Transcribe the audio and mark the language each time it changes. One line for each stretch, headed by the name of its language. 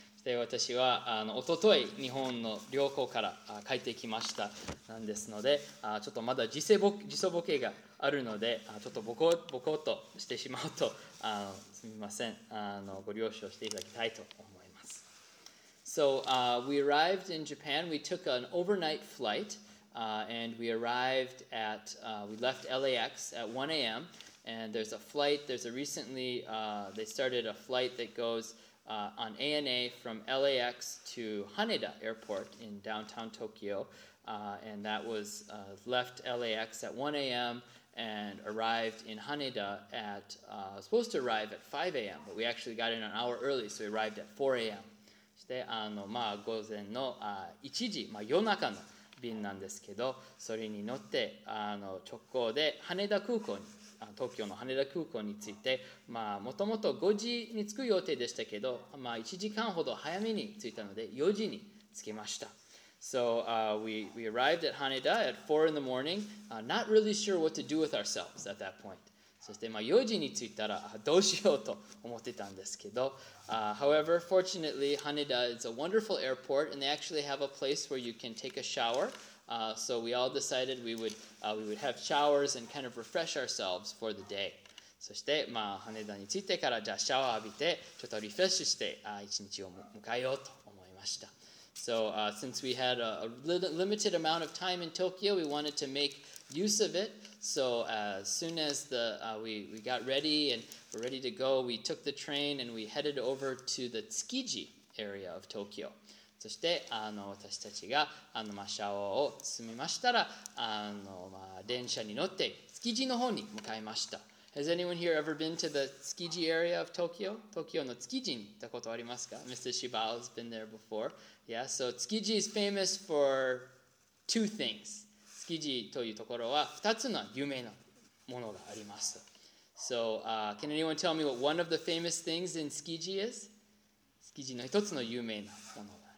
Japanese: で、 私は一昨日日本の旅行から帰ってきましたなんですので、ちょっとまだ時差ぼけがあるので、ちょっとぼこっとしてしまうと、すみません、ご了承していただきたいと思います。
English: So, we arrived in Japan. We took an overnight flight, and we arrived at, we left LAX at 1 a.m., And there's a flight, there's a recently, they started a flight that goes on ANA from LAX to Haneda Airport in downtown Tokyo. And that was left LAX at 1 a.m. and arrived in Haneda at, supposed to arrive at 5 a.m., but we actually got in an hour early, so we arrived at 4 a.m.
Japanese: そして、午前の1時、夜中の便なんですけど、それに乗って直行で羽田空港に。東京の羽田空港について、もともと5時に着く予定でしたけど、1時間ほど早めに着いたので4時に着きました。
English: So, we arrived at Haneda at 4 in the morning, not really sure what to do with ourselves at that point.
Japanese: そして、4時に着いたらどうしようと思ってたんですけど、
English: however, fortunately, Haneda is a wonderful airport and they actually have a place where you can take a shower. So we all decided we would have showers and kind of refresh ourselves for the day.
Japanese: そして、羽田に着いてからじゃあシャワー浴びてちょっとリフレッシュして一日を迎えようと思いました。
English: So since we had a limited amount of time in Tokyo, we wanted to make use of it. So as soon as we got ready and were ready to go, we took the train and we headed over to the Tsukiji area of Tokyo.
Japanese: そして私たちがシャワーを済みましたら電車に乗って築地の方に向かいました。
English: Has anyone here ever been to the Tsukiji area of Tokyo?
Japanese: Tokyo の築地に行ったことありますか?
English: Mr. Shibao has been there before. Yeah, so Tsukiji is famous for 2 things.
Japanese: 築地というところは2つの有名なものがあります。
English: So, can anyone tell me what one of the famous things in Tsukiji is?
Japanese: 築地の1つの有名なもの。